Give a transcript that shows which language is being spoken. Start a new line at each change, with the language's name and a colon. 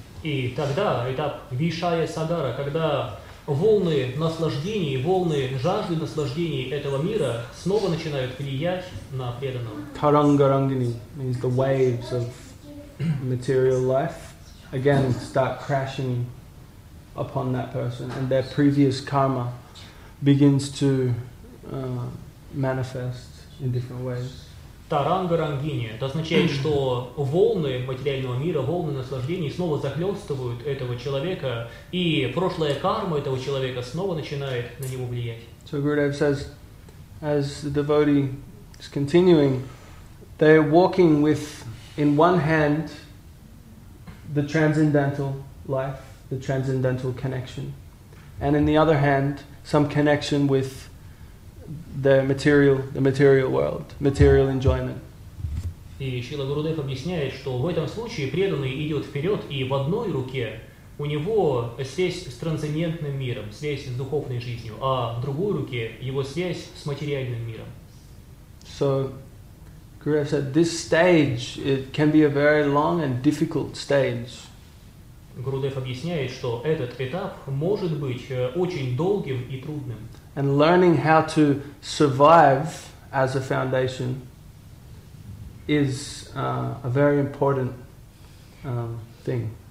Russian: И тогда этап Бишая Сагара, когда волны наслаждений, волны жажды наслаждений этого мира снова начинают влиять на преданного.
English: Тарангарангини means the waves of material life again start crashing upon that person, and their previous karma begins to manifest in different ways.
Russian: Тарангарангини — это означает, что волны материального мира, волны наслаждений снова захлёстывают этого человека, и прошлая карма этого человека снова начинает на него влиять.
English: So Gurudev says, as the devotee is continuing, they're walking with, in one hand, the transcendental life, the transcendental connection, and in the other hand, some connection with the material world, material enjoyment.
Russian: И Шрила Гурудев объясняет, что в этом случае преданный идет вперед, и в одной руке у него связь с трансцендентным миром, связь с духовной жизнью, а в другой руке его связь с материальным миром.
English: So, Gurudev said, this stage, it can be a very long and difficult stage.
Russian: Гурудев объясняет, что этот этап может быть очень долгим и трудным.
English: And learning how to survive as a foundation is a very important thing.